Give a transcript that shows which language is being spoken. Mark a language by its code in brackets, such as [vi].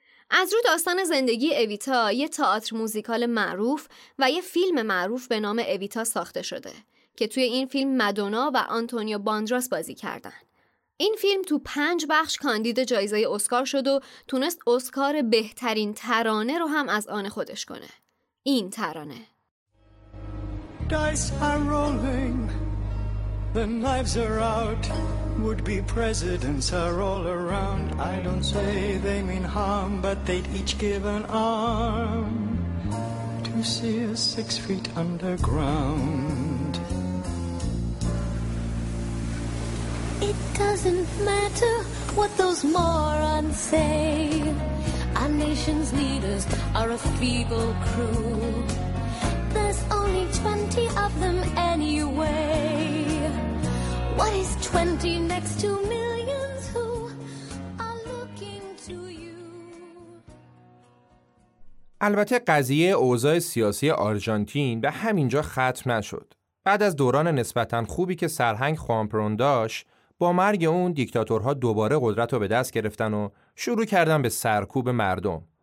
[fa] از رو داستان زندگی اویتا یه تئاتر موزیکال معروف و یه فیلم معروف به نام اویتا ساخته شده که توی این فیلم مادونا و آنتونیو باندراس بازی کردن. این فیلم تو 5 بخش کاندید جایزه اسکار شد و تونست اسکار بهترین ترانه رو هم از آن خودش کنه. این ترانه. [en] Dice are rolling, the knives are out, would be presidents are all around. I don't say they mean harm, but they'd each give an arm to see us 6 feet underground. It doesn't matter what those morons say. Our nation's leaders are a feeble crew. There's only 20 of them anyway. What is 20 next to millions who are looking to you? [fa] البته قضیه اوضاع سیاسی آرژانتین به همینجا ختم نشد. بعد از دوران نسبتاً خوبی که سرهنگ خوان پرون داشت، با مرگ اون دیکتاتورها دوباره قدرت رو به دست گرفتن و شروع کردن به سرکوب مردم.